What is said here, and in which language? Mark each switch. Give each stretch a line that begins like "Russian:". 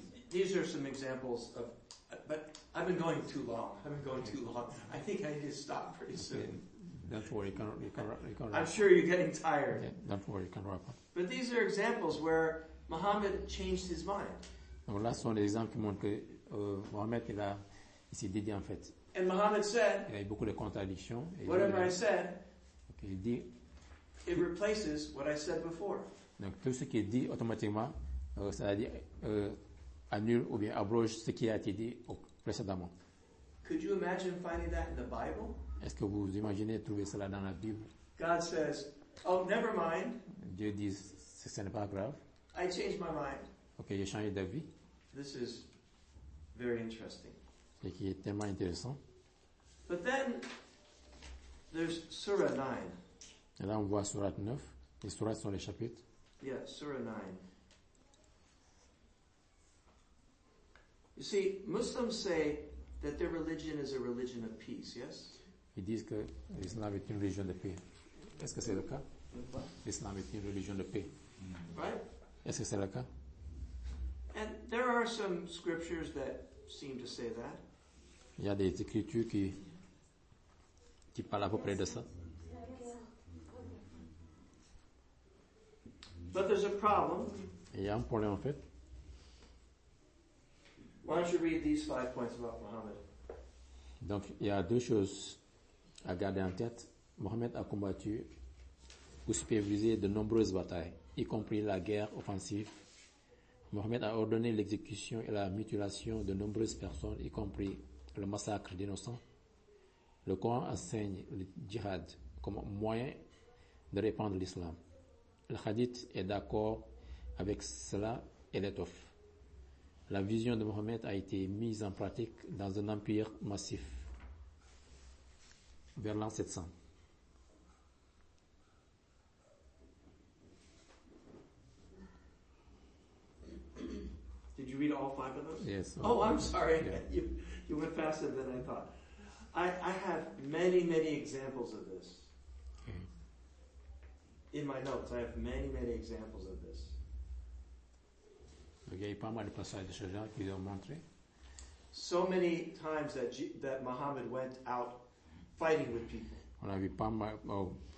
English: These are some examples of, but I've been going too long. I think I need to stop pretty soon. Don't worry, you can I'm sure you're getting tired. Yeah, don't worry, you can wrap up. But these are examples where Muhammad changed his mind.
French: Donc là, ce sont des exemples qui montrent que Muhammad il s'est dédié en fait.
English: And Muhammad said.
French: Il y a eu beaucoup de contradictions.
English: Whatever I said.
French: Il dit,
English: it replaces what I said before.
French: Donc tout ce qui est dit automatiquement, c'est-à-dire annule ou bien abroge ce qui a été dit précédemment.
English: Could you imagine finding that in the Bible?
French: Est-ce que vous imaginez trouver cela dans la Bible?
English: God says, "Oh, never mind."
French: Dieu dit, ce n'est pas grave.
English: I changed my mind.
French: Okay, j'ai changé d'avis.
English: This is very interesting.
French: Ce qui est tellement intéressant.
English: But then there's Surah 9.
French: Et là, on voit Surah 9. Les sourates sont les chapitres.
English: Yeah, Surah 9. You see, Muslims say that their religion is a religion of peace, yes?
French: Ils disent que l'islam est une religion de paix. Est-ce que c'est le cas? L'islam est une religion de paix.
English: Right?
French: Est-ce que c'est le cas?
English: And there are some scriptures that seem to say that.
French: Il y a des écritures qui parlent à peu près de ça.
English: But there's a problem.
French: Il y a un problème en fait.
English: Why don't you read these 5 points about Muhammad?
French: Donc il y a deux choses à garder en tête. Mohammed a combattu ou supervisé de nombreuses batailles, y compris la guerre offensive. Mohammed a ordonné l'exécution et la mutilation de nombreuses personnes, y compris le massacre d'innocents. Le Coran enseigne le djihad comme moyen de répandre l'islam. Le hadith est d'accord avec cela et l'étoffe. La vision de Mohammed a été mise en pratique dans un empire massif. Vers l'an 700.
English: Did you read all 5 of those? Yes. Oh, I'm sorry. Yeah. You went faster than I thought. I have many, many examples of this. Okay. In my notes, I have many, many examples of this.
French: Okay, il y a pas mal de passages de ce genre qui ont montré.
English: So many times that Muhammad went out fighting with people.